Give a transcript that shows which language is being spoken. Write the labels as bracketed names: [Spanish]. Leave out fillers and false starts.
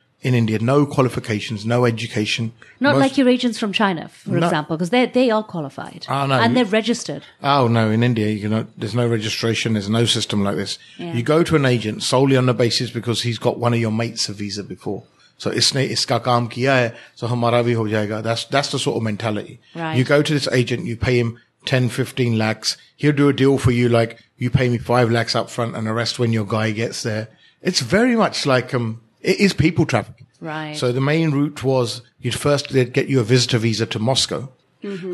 [English] in India, no qualifications, no education. Not like your agents from China, for example, because they are qualified. Oh, no. And they're registered. Oh, no. In India, there's no registration. There's no system like this. Yeah. You go to an agent solely on the basis because he's got one of your mates a visa before. [Hindi] So इसने इसका काम किया है, so हमारा भी हो जाएगा. [English] That's the sort of mentality. Right. You go to this agent, you pay him 10, 15 lakhs. He'll do a deal for you like, you pay me 5 lakhs up front and the rest when your guy gets there. It's very much like, it is people trafficking. Right. So the main route was they'd get you a visitor visa to Moscow. Mm-hmm.